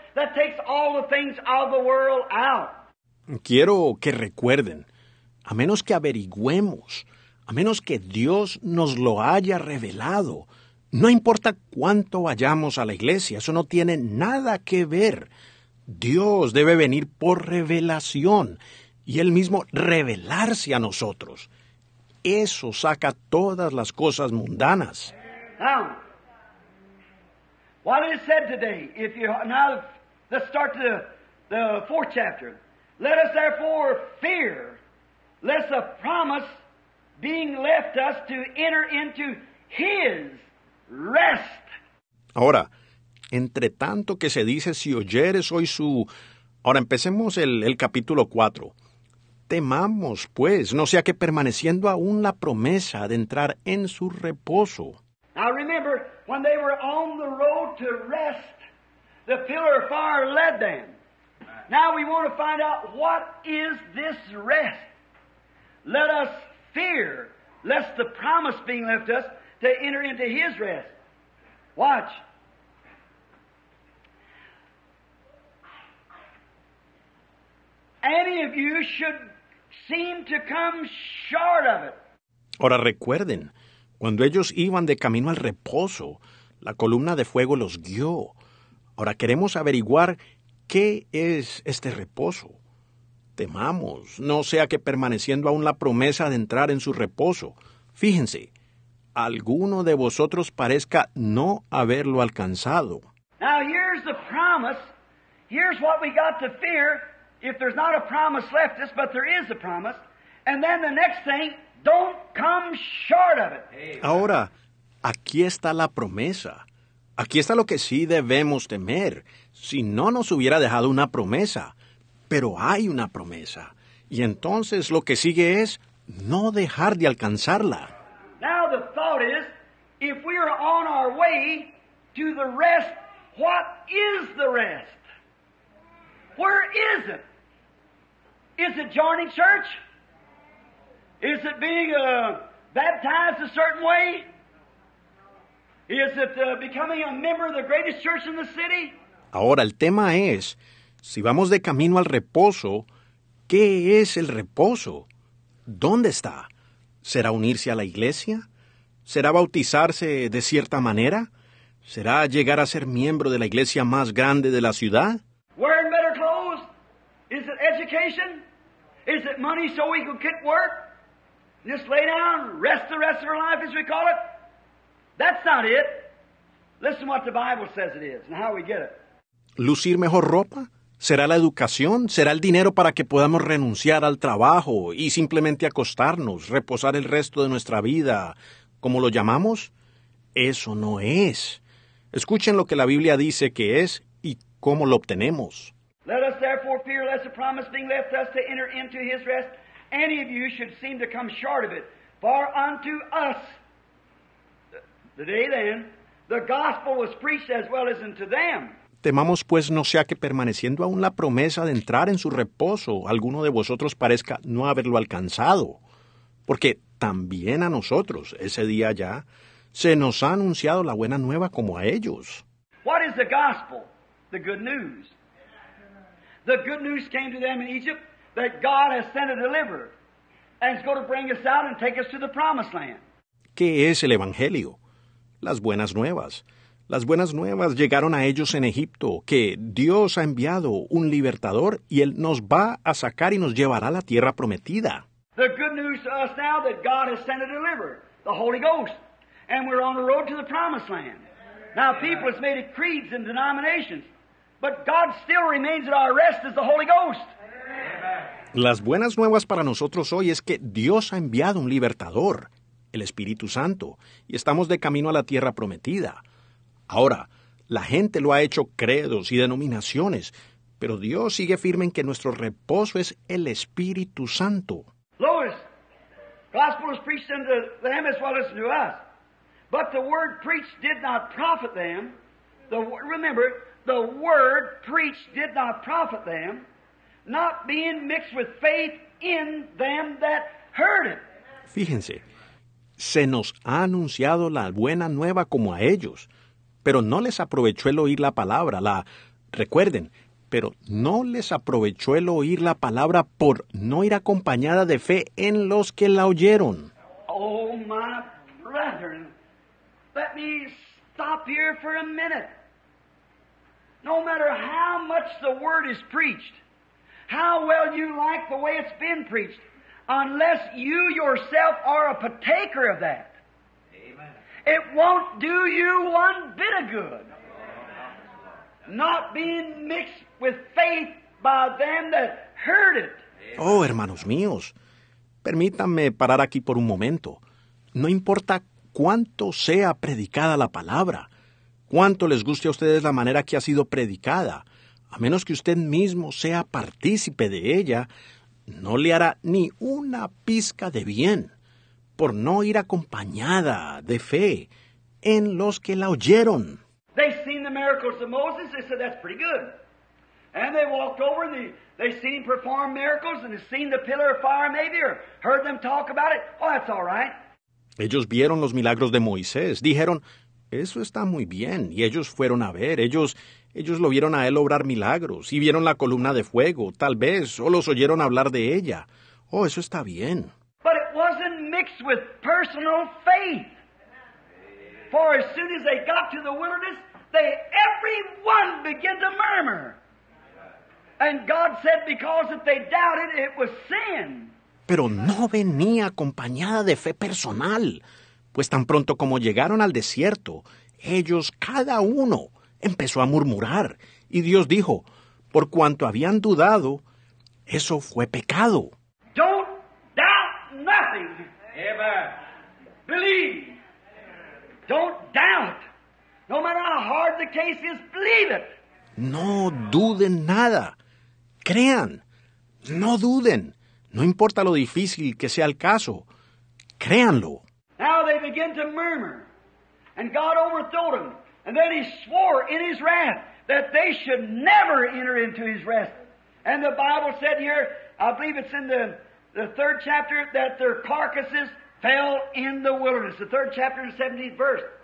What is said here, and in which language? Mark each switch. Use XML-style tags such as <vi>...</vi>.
<en>That takes all the things of the world out.</en> <es>Quiero que recuerden, a menos que averigüemos, a menos que Dios nos lo haya revelado, no importa cuánto vayamos a la iglesia, eso no tiene nada que ver. Dios debe venir por revelación y Él mismo revelarse a nosotros. Eso saca todas las cosas mundanas.</es> <en>Now, what is said today, if you now let's start the fourth chapter. Let us therefore fear lest the promise being left us to enter into his rest.</en> <es>Ahora, entre tanto que se dice si oyeres hoy su... Ahora, empecemos el capítulo 4. Temamos, pues, no sea que permaneciendo aún la promesa de entrar en su reposo.</es> <en>Now remember, when they were on the road to rest, the pillar of fire led them. Now we want to find out what is this rest. Let us fear lest the promise being left us to enter into his rest. Watch. Any of you should seem to come short of it.</en> <es>Ahora recuerden, cuando ellos iban de camino al reposo, la columna de fuego los guió. Ahora queremos averiguar qué es este reposo. Temamos, no sea que permaneciendo aún la promesa de entrar en su reposo. Fíjense, alguno de vosotros parezca no haberlo alcanzado.</es> <en>Now here's the promise. Here's what we got to fear if there's not a promise left us, but there is a promise. And then the next thing, don't come short of it.</en> <es>Ahora, aquí está la promesa. Aquí está lo que sí debemos temer, si no nos hubiera dejado una promesa. Pero hay una promesa. Y entonces lo que sigue es no dejar de alcanzarla.</es> <en>Now the thought is, if we are on our way to the rest, what is the rest? Where is it? Is it joining church? Is it being baptized a certain way? Is it becoming a member of the greatest church in the city?</en> <es>Ahora, el tema es, si vamos de camino al reposo, ¿qué es el reposo? ¿Dónde está? ¿Será unirse a la iglesia? ¿Será bautizarse de cierta manera? ¿Será llegar a ser miembro de la iglesia más grande de la ciudad?</es> <en>Wearing better clothes? Is it education? Is it money so we can quit work? Just lay down, rest the rest of our life, as we call it? That's not it. Listen what the Bible says it is and how we get it.</en> <es>¿Lucir mejor ropa? ¿Será la educación? ¿Será el dinero para que podamos renunciar al trabajo y simplemente acostarnos, reposar el resto de nuestra vida, como lo llamamos? Eso no es. Escuchen lo que la Biblia dice que es y cómo lo obtenemos.</es> <en>Let us therefore fear lest the promise being left us to enter into his rest, any of you should seem to come short of it. For unto us, the day then, the gospel was preached as well as unto them.</en> <es>Temamos pues no sea que permaneciendo aún la promesa de entrar en su reposo, alguno de vosotros parezca no haberlo alcanzado. Porque también a nosotros, ese día ya, se nos ha anunciado la buena nueva como a ellos.</es> <en>What is the gospel? The good news. The good news came to them in Egypt that God has sent a deliverer and is going to bring us out and take us to the promised land.</en> <es>¿Qué es el evangelio? Las buenas nuevas. Las buenas nuevas llegaron a ellos en Egipto, que Dios ha enviado un libertador y Él nos va a sacar y nos llevará a la tierra prometida.</es> <en>The good news to us now that God has sent a deliverer, the Holy Ghost, and we're on the road to the promised land. Now people have made it creeds and denominations, but God still remains at our rest as the Holy Ghost.</en> <es>Las buenas nuevas para nosotros hoy es que Dios ha enviado un libertador, el Espíritu Santo, y estamos de camino a la tierra prometida. Ahora, la gente lo ha hecho credos y denominaciones, pero Dios sigue firme en que nuestro reposo es el Espíritu Santo.</es> <en>Lois, gospel is preached unto them as well as to us. But the word preached did not profit them. The word preached did not profit them, not being mixed with faith in them that heard it.</en> <es>Fíjense, se nos ha anunciado la buena nueva como a ellos, pero no les aprovechó el oír la palabra, pero no les aprovechó el oír la palabra por no ir acompañada de fe en los que la oyeron.</es> <en>Oh, my brethren, let me stop here for a minute. No matter how much the word is preached, how well you like the way it's been preached, unless you yourself are a partaker of that, it won't do you one bit of good. Not being mixed with faith by them that heard it.</en> <es>Oh, hermanos míos, permítanme parar aquí por un momento. No importa cuánto sea predicada la palabra, cuánto les guste a ustedes la manera que ha sido predicada, a menos que usted mismo sea partícipe de ella, no le hará ni una pizca de bien por no ir acompañada de fe en los que la oyeron.</es> <en>They seen the miracles of Moses, they said, that's pretty good. And they walked over and they seen him perform miracles and they seen the pillar of fire maybe or heard them talk about it. Oh, that's all right.</en> <es>Ellos vieron los milagros de Moisés. Dijeron, eso está muy bien. Y ellos fueron a ver. Ellos lo vieron a él obrar milagros y vieron la columna de fuego, tal vez, o los oyeron hablar de ella. Oh, eso está bien.</es> <en>But it wasn't mixed with personal faith. For as soon as they got to the wilderness, they every one began to murmur. And God said because if they doubted, it was sin.</en> <es>Pero no venía acompañada de fe personal, pues tan pronto como llegaron al desierto, ellos cada uno empezó a murmurar. Y Dios dijo, por cuanto habían dudado, eso fue pecado.</es> <en>Don't doubt nothing. Amen. Believe. Don't doubt. No matter how hard the case is, believe it.</en> <es>No duden nada. Crean. No duden. No importa lo difícil que sea el caso. Créanlo.</es> <en>Now they begin to murmur. And God overthrew them. And then he swore in his wrath that they should never enter into his rest. And the Bible said here, I believe it's in the third chapter, that their carcasses fell in the wilderness. The third chapter, 17th verse.</en>